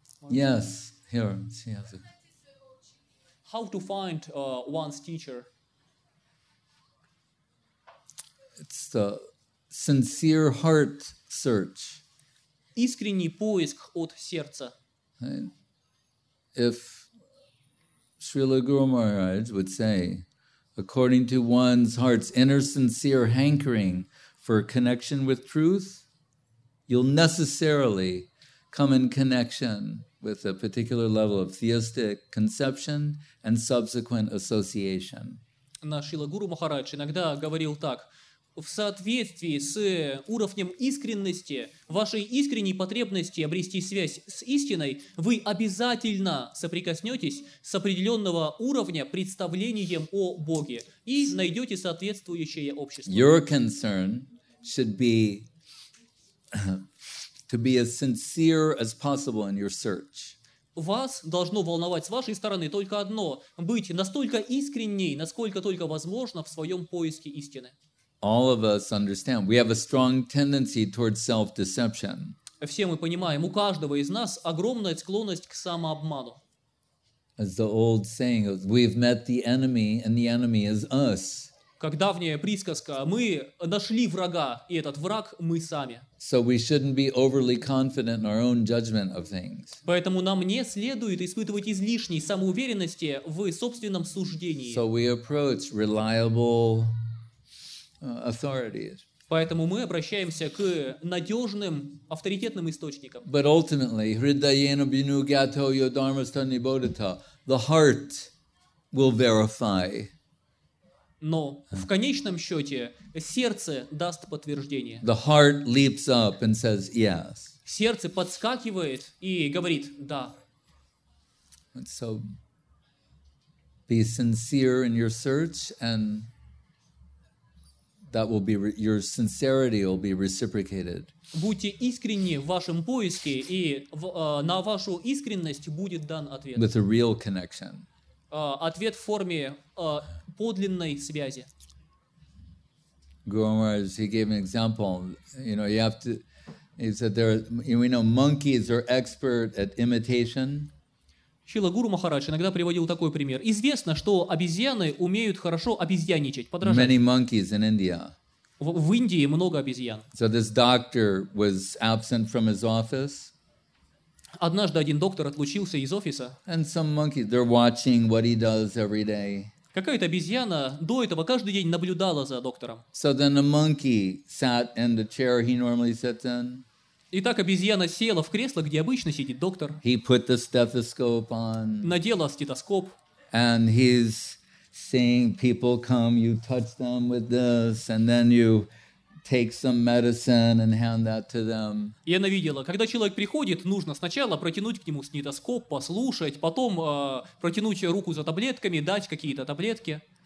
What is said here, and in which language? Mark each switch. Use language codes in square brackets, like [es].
[en] Yes, here. Yes. How to find one's teacher? It's the sincere heart search. [ru] Искренний поиск от сердца. [en] If Srila Guru Maharaj would say, according to one's heart's inner sincere hankering for connection with truth, you'll necessarily come in connection with a particular level of theistic conception and subsequent association. [ru] Наш Шрила Гуру Махарадж иногда говорил так. В соответствии с уровнем искренности, вашей искренней потребности обрести связь с истиной, вы обязательно соприкоснетесь с определенного уровня представлением о Боге и найдете соответствующее общество. [en] Your concern should be to be as sincere as possible in your search. [ru] Вас должно волновать с вашей стороны только одно – быть настолько искренней, насколько только возможно в своем поиске истины. [en] All of us understand we have a strong tendency towards self-deception. [ru] Все мы понимаем, у каждого из нас огромная склонность к самообману. [en] As the old saying, we've met the enemy and the enemy is us. [ru] как давняя присказка, мы нашли врага, и этот враг мы сами. [en] So we shouldn't be overly confident in our own judgment of things. [ru] Поэтому нам не следует испытывать излишней самоуверенности в собственном суждении. [en] So we approach reliable authorities. [ru] Поэтому мы обращаемся к надежным, авторитетным источникам. [en] But ultimately, [sa] hridayena binu gyato yo dharmastani bodhita, [en] the heart will verify. [ru] Но в конечном счете сердце даст подтверждение. [en] The heart leaps up and says yes. [ru] Сердце подскакивает и говорит да. [en] And so be sincere in your search, and that will be your sincerity will be reciprocated. [ru] Будьте искренни в вашем поиске, и на вашу искренность будет дан ответ. [en] With a real connection. [ru] Ответ в форме подлинной связи. [en] Guru Maharaj, he gave an example. You know, you have to. He said there. Are, we know monkeys are expert at imitation. [ru] Шрила Гуру Махарадж иногда приводил такой пример. Известно, что обезьяны умеют хорошо обезьяничать, подражать. [en] Many monkeys in India. [ru] В Индии много обезьян. [en] So this doctor was absent from his office. [ru] Однажды один доктор отлучился из офиса. [en] And some monkeys, they're watching what he does every day. [ru] Какая-то обезьяна до этого каждый день наблюдала за доктором. [en] So then the monkey sat in the chair he normally sits in. [ru] Итак, обезьяна села в кресло, где обычно сидит доктор. [en] He put the stethoscope on. [ru] Надела стетоскоп. [en] And he's seeing people come, you touch them with this, and then you take some medicine and hand that to them. [ru] И она видела, когда человек приходит, нужно сначала протянуть к нему стетоскоп, послушать, потом протянуть руку за таблетками, дать какие-то таблетки.